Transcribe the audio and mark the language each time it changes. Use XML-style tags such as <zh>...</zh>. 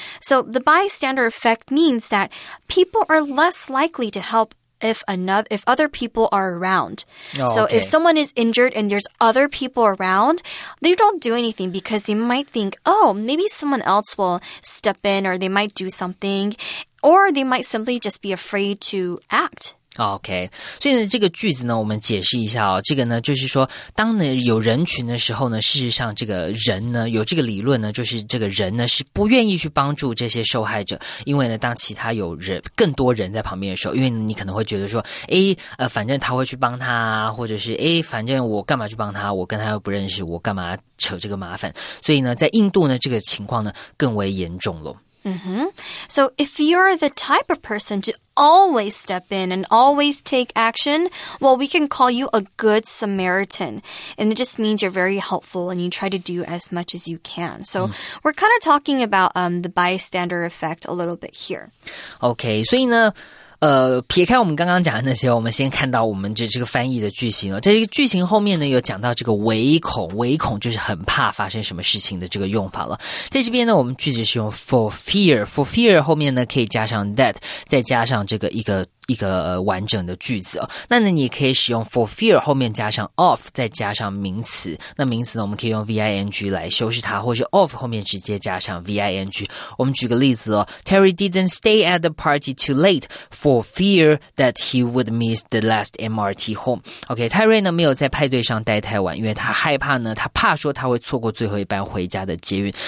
<en>So the bystander effect means that people are less likely to help if other people are around. Okay. If someone is injured and there's other people around, they don't do anything because they might think, oh, maybe someone else will step in, or they might do something, or they might simply just be afraid to act.</en> <zh>OK, 所以呢这个句子呢我们解释一下哦，这个呢就是说当呢有人群的时候呢，事实上这个人呢有这个理论呢，就是这个人呢是不愿意去帮助这些受害者，因为呢当其他有人更多人在旁边的时候，因为你可能会觉得说反正他会去帮他，或者是反正我干嘛去帮他，我跟他又不认识，我干嘛扯这个麻烦，所以呢在印度呢这个情况呢更为严重了。 Mm-hmm.</zh> <en>So if you're the type of person to always step in and always take action, well, we can call you a good Samaritan. And it just means you're very helpful and you try to do as much as you can. So we're kind of talking about the bystander effect a little bit here. Okay, so in the...</en> <zh>撇开我们刚刚讲的那些，我们先看到我们这个翻译的句型了。在这个句型后面呢，有讲到这个唯恐就是很怕发生什么事情的这个用法了。在这边呢，我们句子是用 for fear 后面呢可以加上 that， 再加上这个一个完整的句子哦。那呢，你可以使用 for fear 后面加上 of， 再加上名词。那名词呢，我们可以用 ving 来修饰它，或是 of 后面直接加上 ving。我们举个例子哦</zh> <en>，Terry didn't stay at the party too late for fear that he would miss the last MRT home.</en> <zh>OK， 泰瑞呢没有在派对上待太晚，因为他害怕呢，他怕说他会错过最后一班回家的捷运。</zh>